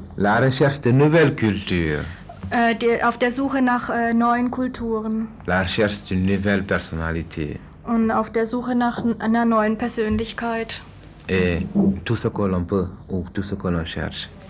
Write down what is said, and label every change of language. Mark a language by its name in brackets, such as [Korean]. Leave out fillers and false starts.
[French] La recherche de nouvelles cultures. [German] Auf der Suche nach neuen Kulturen. [French] La recherche d'une nouvelle personnalité. [German] Und auf der Suche nach einer neuen Persönlichkeit. [French] Et tout ce que l'on peut ou tout ce que l'on cherche.